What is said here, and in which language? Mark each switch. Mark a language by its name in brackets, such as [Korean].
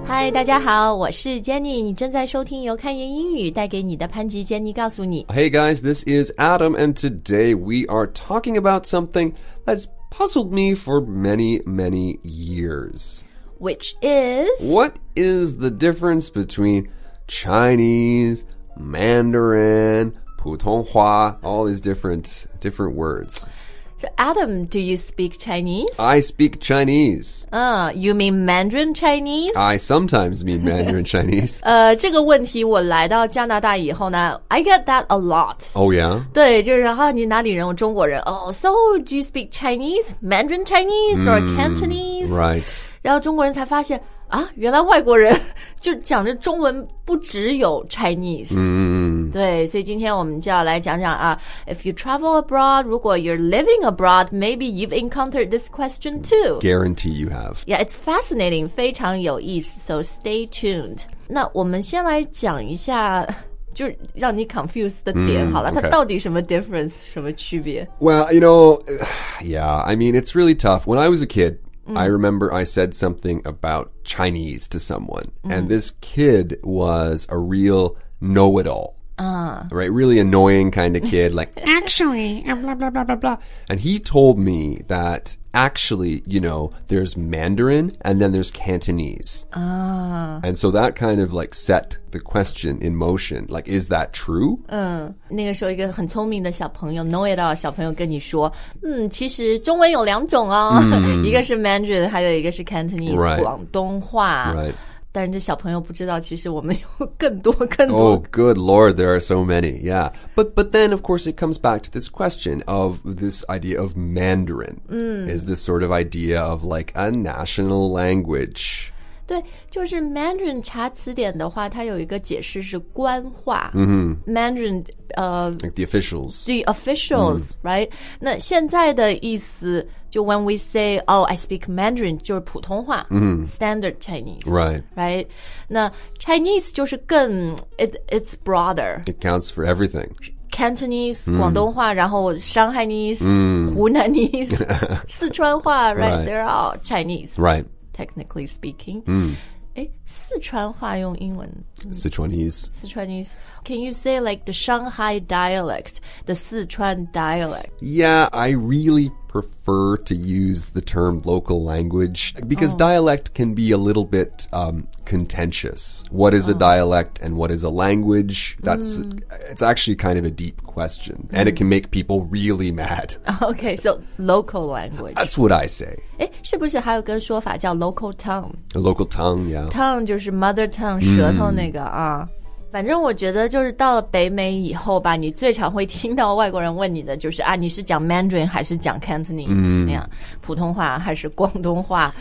[Chinese] 大家好，我是 Jenny， 你正在收听由看言英语带给你的潘吉 Jenny 告诉你。 [English] Hey guys, this is Adam, and today we are talking about something that's puzzled me for many, many years. Which is? What is the difference between Chinese, Mandarin, 普通话, all these different words? So, Adam, do you speak Chinese? I speak Chinese. You mean Mandarin Chinese? I sometimes mean Mandarin Chinese. [Chinese] 这个问题我来到加拿大以后呢 [English] I get that a lot. Oh, yeah? [Chinese] 对，就是啊，你哪里人？我中国人。 [English] Oh, so do you speak Chinese? Mandarin Chinese or Cantonese? Right. [Chinese] 然后中国人才发现啊，原来外国人就讲着中文不只有 Chinese。对，所以今天我们就要来讲讲啊 [English] ，If you travel abroad, 如果 you're living abroad, maybe you've encountered this question too. Guarantee you have. Yeah, it's fascinating, [Chinese] 非常有意思。 [English] So stay tuned. [Chinese] 那我们先来讲一下，就是让你 confused 的点，好了，它到底什么 difference， 什么区别 [English] ？Well, you know, yeah, I mean, it's really tough. When I was a kid. I remember I said something about Chinese to someone, and this kid was a real know-it-all, right? Really annoying kind of kid, like, actually, blah, blah, blah, blah, blah. And he told me that actually, you know, there's Mandarin and then there's Cantonese. And so that kind of like set the question in motion, like, is that true? [Chinese] 那个时候一个很聪明的小朋友 know-it-all 小朋友跟你说其实中文有两种哦、一个是 Mandarin, 还有一个是 Cantonese,、 [English] right. [Chinese] 广东话。 [English] Right. [Chinese] 但是这小朋友不知道其实我们有更多更多 [English] Oh good lord, there are so many, yeah. But then of course it comes back to this question of this idea of Mandarin、is this sort of idea of like a national language. [Chinese] 对，就是 Mandarin 查词典的话它有一个解释是官话、Mandarin、 [English] like the officials. The officials,、right? [Chinese] 那现在的意思就 [English] when we say, oh, I speak Mandarin, [Chinese] 就是普通话、 [English] standard Chinese. Right. Right. [Chinese] 那 Chinese 就是更 [English] it's broader. It counts for everything. [Chinese] Cantonese,、广东话然后 Shanghainese,、湖南ese, 四川话 right? [English] they're all Chinese. Right. Technically speaking.、 [Chinese] 四川话用英文。 [English] Sichuanese. Can you say like the Shanghai dialect, the Sichuan dialect? Yeah, I really prefer to use the term local language because、dialect can be a little bit、contentious. What is、a dialect and what is a language? That's,、it's actually kind of a deep question、and it can make people really mad. Okay, so local language. That's what I say. [Chinese] 是不是还有个说法叫 local tongue? [English] A local tongue, yeah. [Chinese] Tongue 就是 [English] mother tongue,、 [Chinese] 舌头那个啊。反正我觉得就是到了北美以后吧你最常会听到外国人问你的就是啊你是讲 Mandarin 还是讲 Cantonese、那样普通话还是广东话、